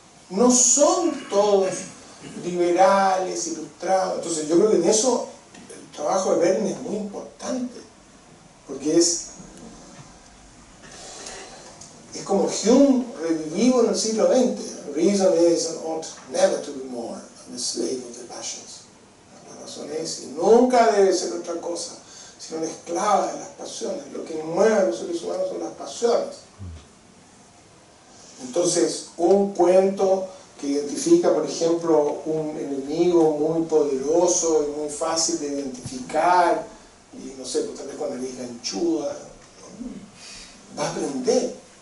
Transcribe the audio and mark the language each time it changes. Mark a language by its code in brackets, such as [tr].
[es] No son todos liberales, ilustrados. Entonces yo creo que en eso el trabajo de Berlin es muy importante. Porque es como Hume revivido en el siglo XX. [en] Reason is and ought never to be more than the slave of the passions. [es] La razón es y nunca debe ser otra cosa. Son esclavas de las pasiones. Lo que mueve a los seres humanos son las pasiones. Entonces, un cuento que identifica, por ejemplo, un enemigo muy poderoso y muy fácil de identificar, y no sé, pues, tal vez con la nariz ganchuda, ¿no? Va a aprender.